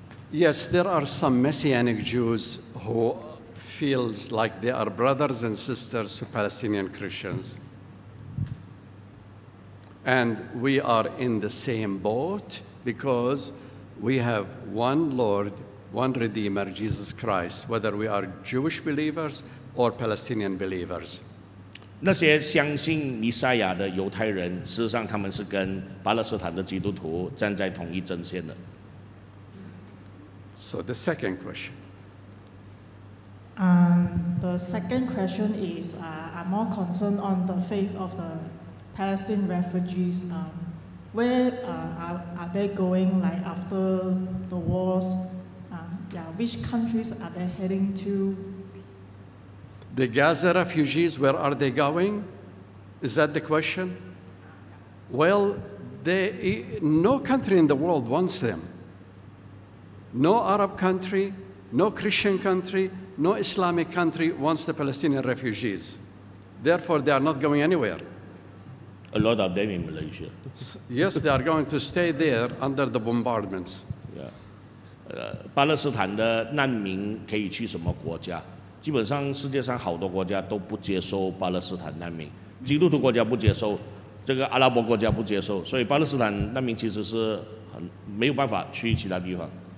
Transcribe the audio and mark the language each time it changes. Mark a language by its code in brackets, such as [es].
[en] Yes, there are some Messianic Jews who feel like they are brothers and sisters to Palestinian Christians. And we are in the same boat because we have one Lord, one Redeemer, Jesus Christ, whether we are Jewish believers or Palestinian believers. [zh] 那些相信弥赛亚的犹太人，事实上他们是跟巴勒斯坦的基督徒站在同一阵线的。 [en] So the second question. The second question is, I'm more concerned on the faith of the Palestinian refugees. Where are they going? Like after the wars, which countries are they heading to? The Gaza refugees, where are they going? Is that the question? Well, no country in the world wants them. No Arab country, no Christian country, no Islamic country wants the Palestinian refugees. Therefore, they are not going anywhere. A lot of them in Malaysia. Yes, they are going to stay there under the bombardments. Yeah. [zh] 巴勒斯坦的难民可以去什么国家？基本上世界上好多国家都不接受巴勒斯坦难民。基督徒国家不接受，这个阿拉伯国家不接受，所以巴勒斯坦难民其实是很没有办法去其他地方。